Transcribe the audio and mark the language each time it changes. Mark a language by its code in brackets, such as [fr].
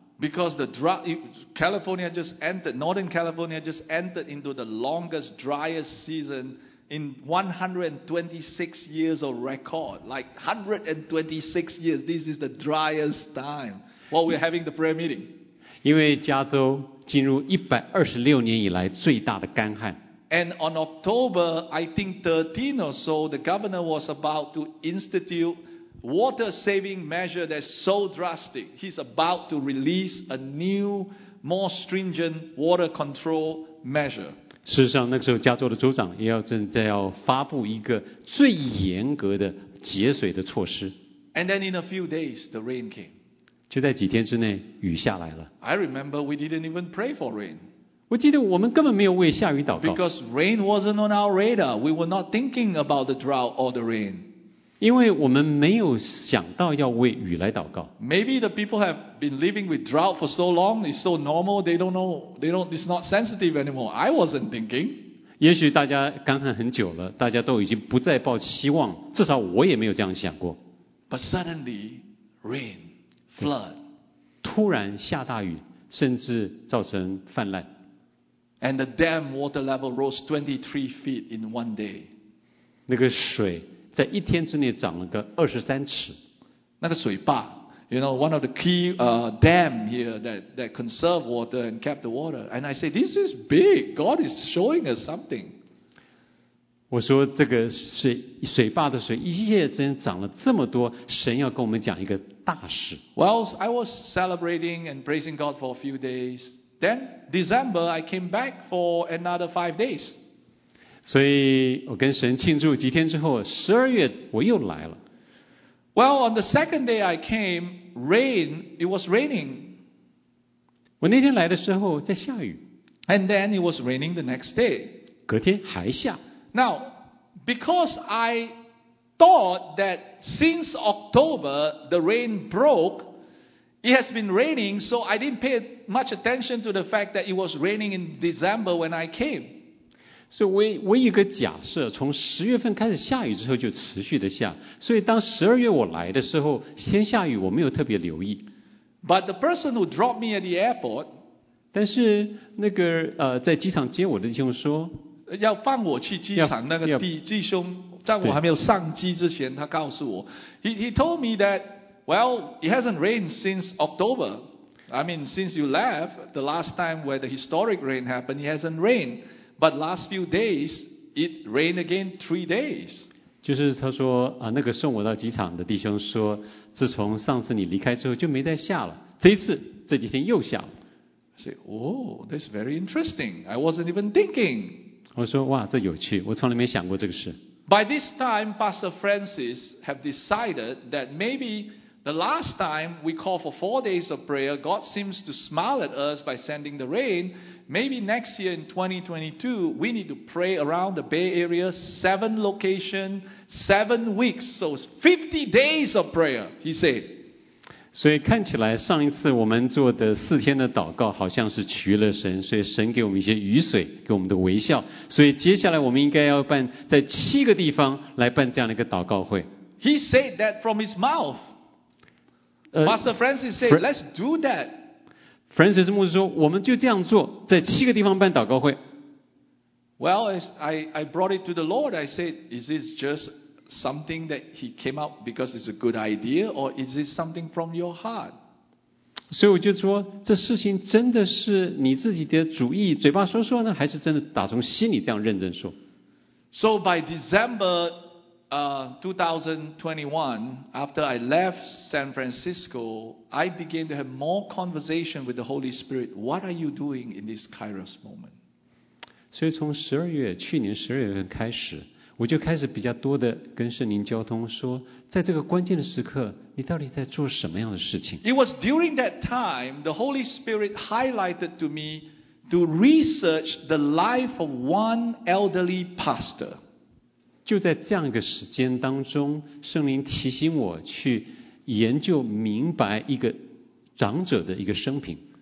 [en] Because the Northern California just entered into the longest, driest season in 126 years of record. Like 126 years, this is the driest time while we're having the prayer meeting. [zh] 因为加州进入126年以来最大的干旱。 [en] And on October, I think 13 or so, the governor was about to institute water saving measure that's so drastic. He's about to release a new, more stringent water control measure. [zh] 事实上，那个时候加州的州长也要正在要发布一个最严格的节水的措施。 [en] And then in a few days, the rain came. [zh] 就在几天之内，雨下来了。 [en] I remember we didn't even pray for rain. [zh] 我记得我们根本没有为下雨祷告。 [en] Because rain wasn't on our radar. We were not thinking about the drought or the rain. [zh] 因为我们没有想到要为雨来祷告。 [en] Maybe the people have been living with drought for so long, it's so normal, they don't know, it's not sensitive anymore. I wasn't thinking. [zh] 也许大家干旱很久了，大家都已经不再抱希望，至少我也没有这样想过。 [en] But suddenly, rain, flood. [zh] 突然下大雨，甚至造成泛滥。 [en] And the dam water level rose 23 feet in one day. [zh] 那个水在一天之内涨了个23尺。那个水坝 [en] ，you know, one of the key dam here that conserve water and kept the water. And I say this is big. God is showing us something. [zh] 我说这个水坝的水一夜之间涨了这么多，神要跟我们讲一个大事。 [en] Well, I was celebrating and praising God for a few days. Then December, I came back for another 5 days. [zh] 所以我跟神庆祝几天之后，十二月我又来了。 [en] Well, on the second day I came, rain, it was raining. [zh] 我那天来的时候在下雨。 [en] And then it was raining the next day. [zh] 隔天还下。 [en] Now, because I thought that since October the rain broke, it has been raining, so I didn't pay much attention to the fact that it was raining in December when I came. [zh] 所以我一个假设，从十月份开始下雨之后就持续的下，所以当十二月我来的时候先下雨，我没有特别留意。 [en] But the person who dropped me at the airport， [zh] 但是那个在机场接我的弟兄说，要放我去机场那个弟兄，在我还没有上机之前，他告诉我 [en] ，he told me that well it hasn't rained since October， I mean since you left the last time where the historic rain happened it hasn't rained。 But last few days, it rained again 3 days. [zh] 就是他说啊，那个送我到机场的弟兄说，自从上次你离开之后就没再下了。这一次这几天又下了。 [en] I say, oh, that's very interesting. I wasn't even thinking. [zh] 我说哇，这有趣，我从来没想过这个事。 [en] By this time, Pastor Francis have decided that maybe the last time we call for 4 days of prayer, God seems to smile at us by sending the rain. Maybe next year in 2022, we need to pray around the Bay Area, 7 locations, 7 weeks. So it's 50 days of prayer, he said. [zh] 所以看起来上一次我们做的四天的祷告好像是取了神，所以神给我们一些雨水，给我们的微笑。所以接下来我们应该要办在七个地方来办这样的一个祷告会。 [en] He said that from his mouth. Pastor Francis said, let's do that. [zh] Francis 牧师说，我们就这样做，在七个地方办祷告会。 [en] Well, I brought it to the Lord. I said, is this just something that he came up because it's a good idea, or is it something from your heart? [zh] 所以我就说，这事情真的是你自己的主意，嘴巴说说呢，还是真的打从心里这样认真说？ [en] So by December, 2021, after I left San Francisco, I began to have more conversation with the Holy Spirit. What are you doing in this Kairos moment? [zh] 所以从十二月，去年十二月份开始，我就开始比较多的跟圣灵交通，说在这个关键的时刻你到底在做什么样的事情。 [en] It was during that time the Holy Spirit highlighted to me to research the life of one elderly pastor。 [zh] 就在这样一个时间当中，圣灵提醒我去研究明白一个长者的一个生平。